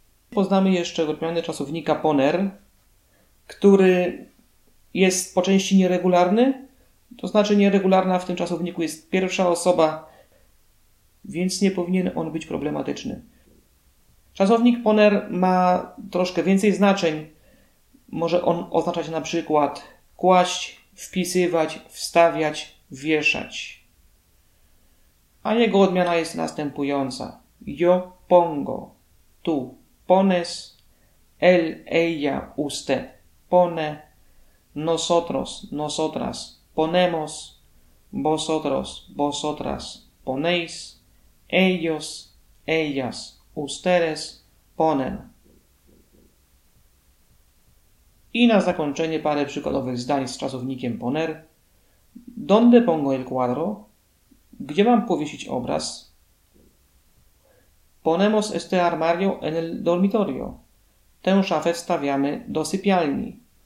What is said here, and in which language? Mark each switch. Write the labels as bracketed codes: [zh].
[pl] Poznamy jeszcze odmianę czasownika poner, który jest po części nieregularny, to znaczy nieregularna w tym czasowniku jest pierwsza osoba, więc nie powinien on być problematyczny. Czasownik poner ma troszkę więcej znaczeń. Może on oznaczać na przykład kłaść, wpisywać, wstawiać, wieszać. A jego odmiana jest następująca. [es] Yo pongo, tu pones, él, ella, usted pone, nosotros, nosotras ponemos, vosotros, vosotras ponéis, ellos, ellas, ustedes ponen. [pl] I na zakończenie parę przykładowych zdań z czasownikiem poner. [es] ¿Dónde pongo el cuadro? [pl] Gdzie mam powiesić obraz? [es] Ponemos este armario en el dormitorio. [pl] Tę szafę wstawiamy do sypialni.